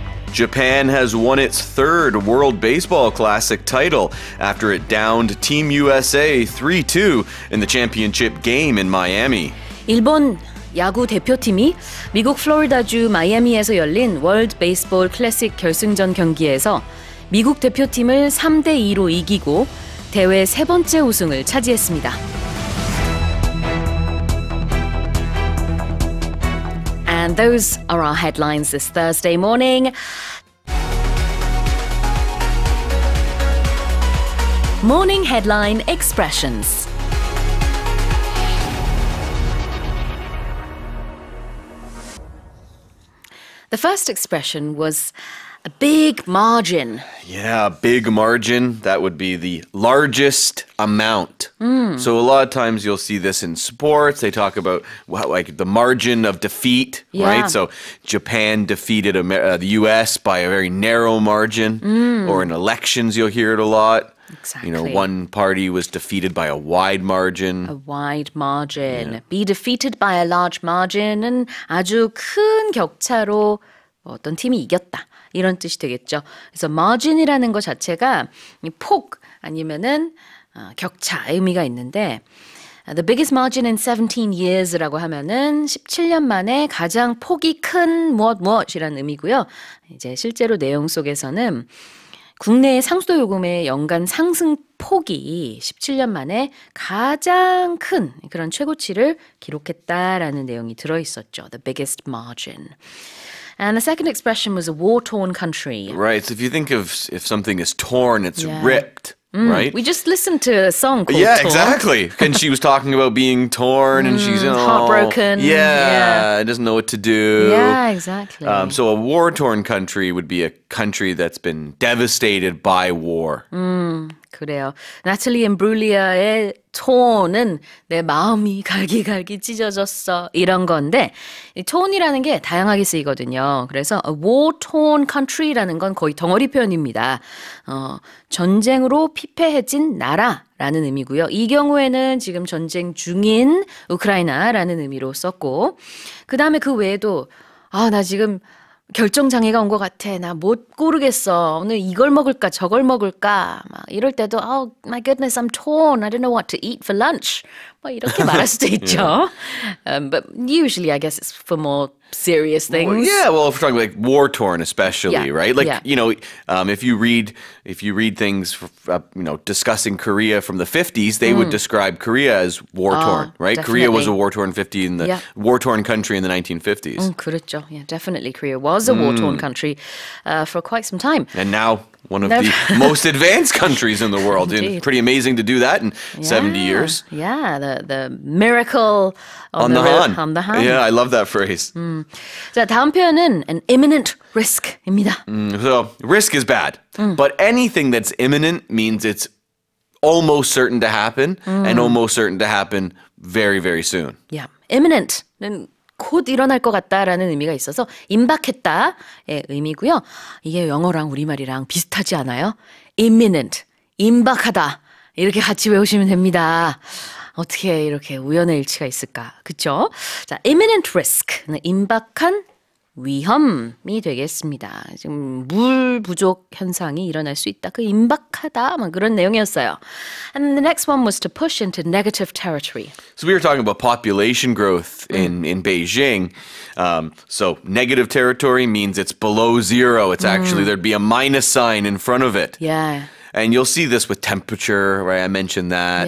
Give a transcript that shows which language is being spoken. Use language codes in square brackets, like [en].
[en] Japan has won its third World Baseball Classic title after it downed Team USA 3-2 in the championship game in Miami. [ko] 일본 야구 대표팀이 미국 플로리다주 마이애미에서 열린 월드 베이스볼 클래식 결승전 경기에서 미국 대표팀을 3-2로 이기고 대회 세 번째 우승을 차지했습니다. [en] And those are our headlines this Thursday morning. 모닝 헤드라인 익스프레션스. 'The first expression was a big margin. Yeah, big margin. That would be the largest amount. Mm. So a lot of times you'll see this in sports. They talk about like the margin of defeat, yeah. right? So Japan defeated the U.S. by a very narrow margin. Mm. Or in elections, you'll hear it a lot. Exactly. You know, one party was defeated by a wide margin. A wide margin. Yeah. Be defeated by a large margin. [ko] 은 아주 큰 격차로 뭐 어떤 팀이 이겼다. 이런 뜻이 되겠죠. 그래서 margin이라는 것 자체가 폭 아니면은 격차의 의미가 있는데 [en] the biggest margin in 17 years [ko] 라고 하면은 17년 만에 가장 폭이 큰 무엇 무엇이라는 의미고요. 이제 실제로 내용 속에서는 국내 상수도 요금의 연간 상승폭이 17년 만에 가장 큰 그런 최고치를 기록했다라는 내용이 들어있었죠. [en] The biggest margin. And the second expression was a war-torn country. Right. So if you think of if something is torn, it's yeah. ripped, right? We just listened to a song called Yeah, torn. Exactly. And she was talking about being torn and she's you know, heartbroken. Yeah. Doesn't know what to do. Yeah, exactly. So a war-torn country would be a country that's been devastated by war. [ko] 그래요. 나탈리 임브루리아의 톤은 내 마음이 갈기갈기 찢어졌어 이런 건데 이 톤이라는 게 다양하게 쓰이거든요. 그래서 a war-torn country라는 건 거의 덩어리 표현입니다. 전쟁으로 피폐해진 나라라는 의미고요. 이 경우에는 지금 전쟁 중인 우크라이나라는 의미로 썼고 그 다음에 그 외에도 아, 나 지금 결정장애가 온것 같아. 나못 고르겠어. 오늘 이걸 먹을까 저걸 먹을까 막 이럴 때도 [en] Oh my goodness, I'm torn. I don't know what to eat for lunch. [ko] 뭐 이렇게 말할 수도 있죠. [en] But usually I guess it's for more serious things. Well, yeah, well, if we're talking like war-torn especially, yeah. right? Like, yeah. you know, if you read things, discussing Korea from the 50s, they would describe Korea as war-torn, right? Definitely. Korea was a war-torn 50 in the yeah. war-torn country in the 1950s. [ko] 그렇죠. [en] Yeah, definitely Korea was a war-torn country for quite some time. And now one of the most advanced countries in the world. And pretty amazing to do that in 70 years. Yeah, the miracle on the Han. On the Han. Yeah, I love that phrase. [ko] Mm. 자, 다음 표현은 [en] an imminent risk [ko] 입니다. [en] So risk is bad. But anything that's imminent means it's almost certain to happen and almost certain to happen very, very soon. Yeah, imminent. [ko] 곧 일어날 것 같다라는 의미가 있어서 임박했다의 의미고요. 이게 영어랑 우리말이랑 비슷하지 않아요? imminent, 임박하다 이렇게 같이 외우시면 됩니다. 어떻게 이렇게 우연의 일치가 있을까? 그렇죠? 자, imminent risk, 임박한 위험이 되겠습니다. 지금 물 부족 현상이 일어날 수 있다. 그 임박하다 막 그런 내용이었어요. [en] And the next one was to push into negative territory. So we were talking about population growth in Beijing. So negative territory means it's below zero. It's actually there'd be a minus sign in front of it. Yeah. And you'll see this with temperature, right? I mentioned that,